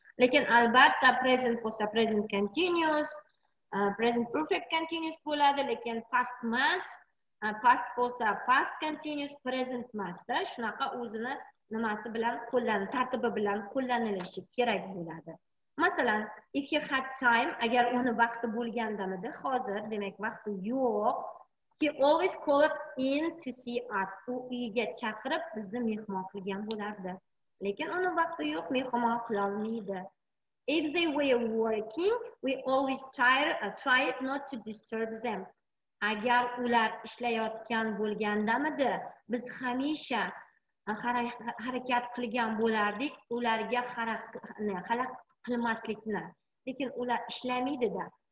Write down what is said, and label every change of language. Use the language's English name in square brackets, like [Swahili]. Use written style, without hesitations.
[Uzbek] Lekin albatta present bo'lsa present continuous, present perfect continuous bo'ladi, lekin past mas, past bo'lsa past continuous, present masda shunaqa o'zini nimasi bilan qo'llan, tartibi bilan qo'llanilishi kerak bo'ladi. Masalan, [English] if he had time, [Uzbek] agar uni vaqti bo'lgandamidi, hozir, demak, vaqti yo'q. [English] He always called in to see us. [Uzbek] U uyiga chaqirib bizni mehmon qilgan bo'lardi. Lekin uni vaqti yo'q, mehmon qila olmaydi. [English] If they were working, we always tried not to disturb them. [Uzbek] Agar ular ishlayotgan bo'lgandamidi, biz hamisha harakat qilgan bo'lardik, ularga xalaqit qilmaslikni. Lekin ular ishlamaydi-da.